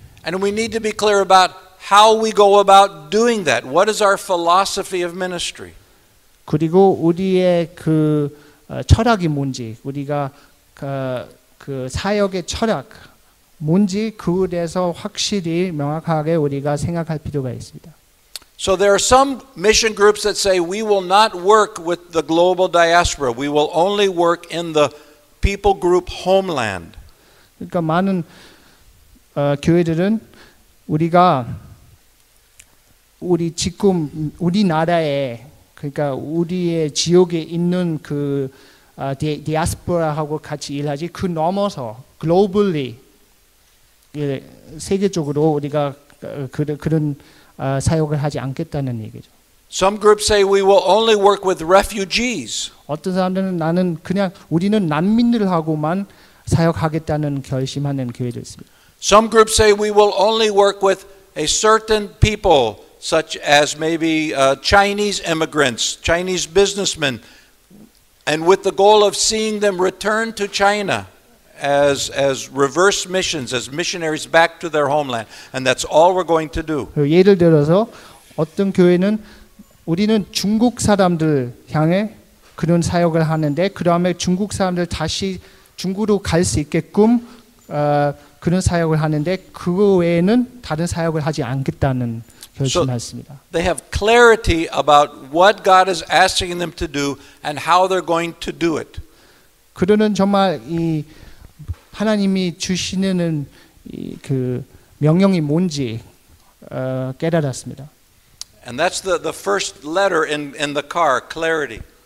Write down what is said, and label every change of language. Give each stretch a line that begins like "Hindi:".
English: And we need to be clear about how we go about doing that. What is our philosophy of ministry?
Korean: 그리고 우리의 그 철학이 뭔지, 우리가 그 사역의 철학 뭔지 그에 대해서 확실히 명확하게 우리가 생각할 필요가 있습니다.
English: So there are some mission groups that say we will not work with the global diaspora. We will only work in the people group homeland.
Korean: 그러니까 많은 교회들은 우리가 우리 지금 우리나라에 그러니까 우리의 지역에 있는 그 디아스포라하고 같이 일하지 그 넘어서 globally 세계적으로 우리가 그런 사역을 하지 않겠다는 얘기죠.
English: Some groups say we will only work with refugees.
Korean: 어떤 사람들은 나는 그냥 우리는 난민들하고만 사역하겠다는 결심하는 교회도 있습니다.
English: Some groups say we will only work with a certain people such as maybe Chinese immigrants, Chinese businessmen and with the goal of seeing them return to China as reverse missions, as missionaries back to their homeland, and that's all we're going to do.
Korean: 예를 들어서 어떤 교회는 우리는 중국 사람들 향해 그런 사역을 하는데 그 다음에 중국 사람들 다시 중국으로 갈 수 있게끔 그런 사역을 하는데 그 외에는 다른 사역을 하지 않겠다는 결심했습니다.
English: So they have clarity about what God is asking them to do and how they're going to do it.
Korean: 그들은 정말 이 하나님이 주시는 이 그 명령이 뭔지 깨달았습니다.
English: And that's the first letter in the car, clarity.